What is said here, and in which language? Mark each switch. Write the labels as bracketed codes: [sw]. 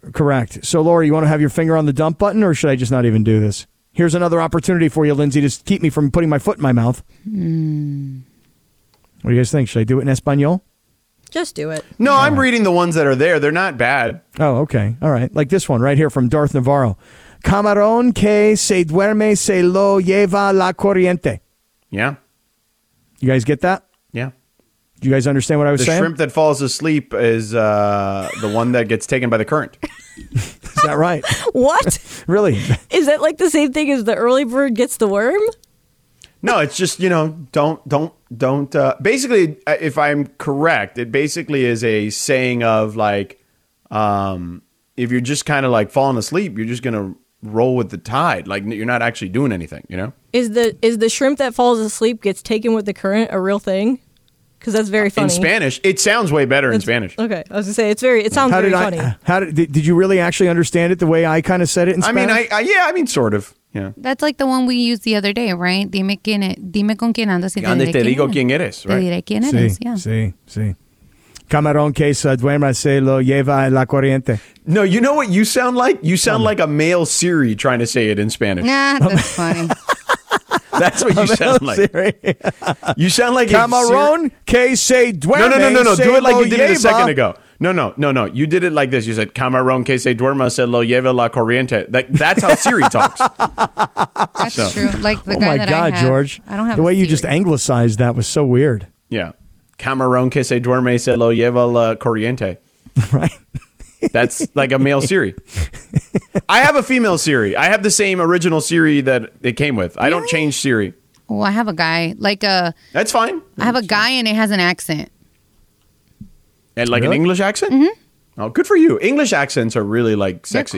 [en] Correct. So, Laura, you want to have your finger on the dump button, or should I just not even do this? Here's another opportunity for you, Lindsay, to keep me from putting my foot in my mouth. Mm. What do you guys think? Should I do it in Espanol? Just do it. No, I'm reading the ones that are there. They're not bad. Oh, okay. All right. Like this one right here from Darth Navarro. [es] Camarón que se duerme se lo lleva la corriente. [en] Yeah. You guys get that? Yeah. Do you guys understand what I was saying? The shrimp that falls asleep is the one that gets taken by the current. Is that right? What? Really? Is that like the same thing as the early bird gets the worm? No, it's just, you know, don't. Basically, if I'm correct, it basically is a saying of like, if you're just kind of like falling asleep, you're just gonna roll with the tide. Like you're not actually doing anything, you know. Is the shrimp that falls asleep gets taken with the current a real thing? Because that's very funny. In Spanish, it sounds way better in Spanish. Okay, I was gonna say it sounds very funny. How did you really actually understand it the way I kind of said it in Spanish? I mean, sort of. Yeah. That's like the one we used the other day, right? [es] Dime quién es. Dime con quién andas. Y donde te digo quién eres, [en] right? [es] Te diré quién eres, [en] yeah. [es] Sí. Camarón que se duerma se lo lleva en la corriente. [en] No, you know what you sound like? You sound like a male Siri trying to say it in Spanish. Nah, that's funny. That's what you sound like. You sound like [es] Camarón que se duerma. [en] No. Do it like you did it a second ago. No. You did it like this. You said, [es] Camarón que se duerma se lo lleva la corriente. [en] That's how Siri talks. That's so true. Like the guy that I have. Oh, my God, George. I don't have the way Siri. You just anglicized that was so weird. Yeah. [es] Camarón que se duerma se lo lleva la corriente. [en] Right. That's like a male Siri. I have a female Siri. I have the same original Siri that it came with. Really? I don't change Siri. Oh, I have a guy. That's fine. I have a guy and it has an accent. And like really? An English accent? Mm-hmm. Oh, good for you. English accents are really like sexy,